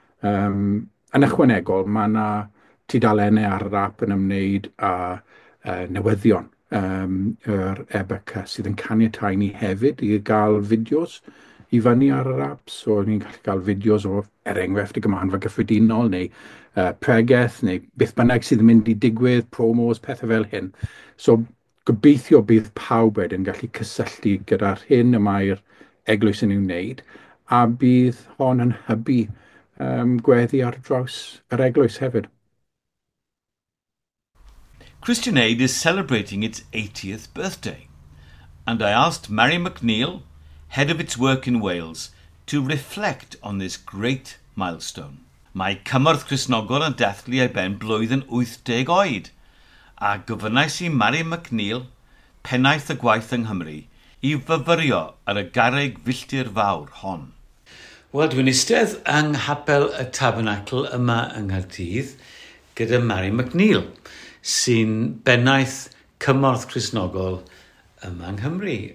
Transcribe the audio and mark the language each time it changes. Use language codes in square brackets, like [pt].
[cy] Yn ychwanegol, mae yna tudalennau ar yr app yn ymwneud â newyddion yr ebyca sydd yn caniatáu ni hefyd i gael fideos i fyny ar yr app, so ni'n gallu cael fideos o er enghraifft y gymhanfa gyffredinol neu pregeth neu beth bynnag sydd yn mynd i digwydd, promos, pethau fel hyn. So gobeithio bydd pawb wedyn gallu cysylltu gyda'r hyn y mae'r eglwys yn ei wneud a bydd hon yn hybu gweddi ar draws yr eglwys hefyd. [en] Christian Aid is celebrating its 80th birthday and I asked Mary McNeil, head of its work in Wales, to reflect on this great milestone. [cy] Mae cymorth Cresnogol yn dathlu ei ben blwyddyn 80 oed, a gofynnais i Mary McNeil, pennaeth y gwaith yng Nghymru, i fyfyrio ar y garreg filltir fawr hon. Wel, dwi'n eistedd yng Nghapel y Tabernacl yma yng Nghaerdydd gyda Mary McNeil, sy'n bennaeth cymorth Cresnogol yma yng Nghymru.